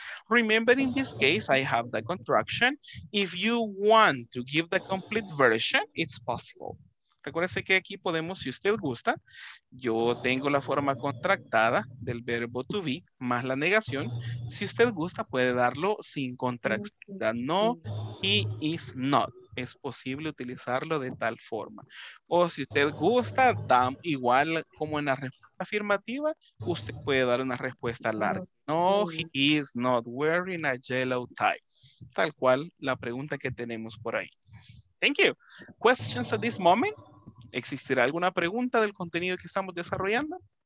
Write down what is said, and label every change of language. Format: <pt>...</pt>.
<en>Remember, in this case, I have the contraction. If you want to give the complete version, it's possible.</en> <es>Recuérdese que aquí podemos, si usted gusta, yo tengo la forma contractada del verbo to be más la negación. Si usted gusta, puede darlo sin contracción. No, he is not. Es posible utilizarlo de tal forma. O si usted gusta, igual como en la respuesta afirmativa, usted puede dar una respuesta larga.</es> <en>No, he is not wearing a yellow tie.</en> <es>Tal cual la pregunta que tenemos por ahí.</es> <en>Thank you. Questions at this moment?</en> <es>¿Existirá alguna pregunta del contenido que estamos desarrollando?</es>